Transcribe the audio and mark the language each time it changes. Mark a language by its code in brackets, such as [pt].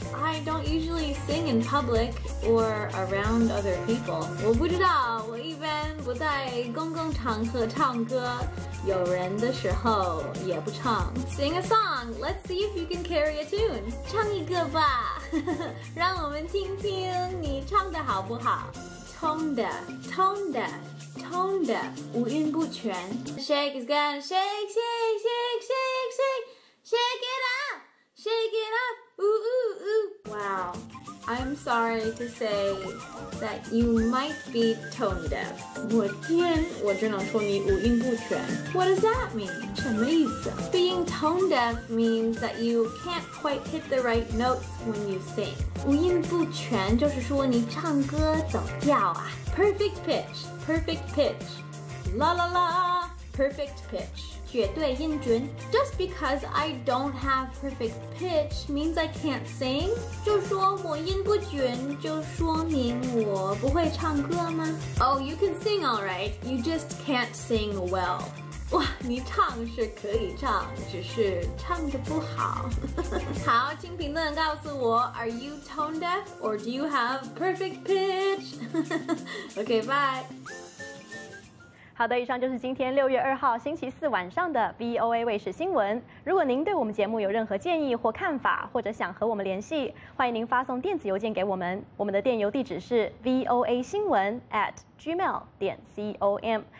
[en] I don't usually sing in public or around other people. [zh] 我不知道，我一般不在公共场合唱歌，有人的时候也不唱。 [en] Sing a song. Let's see if you can carry a tune. [zh] 唱一个吧，让我们听听你唱的好不好。 [en] Tone deaf, tone deaf. Tone deaf, [zh] 五音不全 [en] Shake is gonna shake, shake, shake, shake, shake Shake it up, shake it up, ooh, ooh, ooh Wow, I'm sorry to say that you might be tone deaf [zh] 我天，我只能说你五音不全 [en] What does that mean? [zh] 什么意思？ [en] Being tone deaf means that you can't quite hit the right notes when you sing [zh] 五音不全就是说你唱歌走调啊 [en] Perfect pitch, perfect pitch. La la la, perfect pitch. [zh] 绝对音准。 [en] Just because I don't have perfect pitch means I can't sing. [zh] 就说我音不准，就说明我不会唱歌吗？ [en] Oh, you can sing all right. You just can't sing well. [zh] 哇，你唱是可以唱，只是唱得不好。好，请评论告诉我 [en] ，Are you tone deaf or do you have perfect pitch? Okay, bye. [zh] 好的，以上就是今天6月2号星期四晚上的 VOA 卫视新闻。如果您对我们节目有任何建议或看法，或者想和我们联系，欢迎您发送电子邮件给我们。我们的电邮地址是 voasinwen@gmail.com。